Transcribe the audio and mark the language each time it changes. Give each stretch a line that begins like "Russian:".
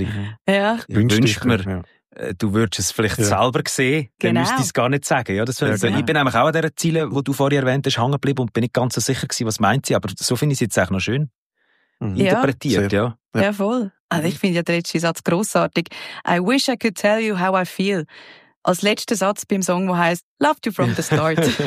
German: ich wünsche mir, du würdest es vielleicht selber sehen, dann müsstest du es gar nicht sagen. Ja, ich bin nämlich auch an diesen Zielen, die du vorher erwähnt hast, hängen geblieben und bin nicht ganz so sicher gewesen, was meint sie. Aber so finde ich es jetzt eigentlich noch schön interpretiert. Ja. Ja, voll. Also ich finde ja den letzten Satz grossartig.
English: I wish I could tell you how I feel.
German: Als letzter Satz beim Song, der heisst Loved you from the start.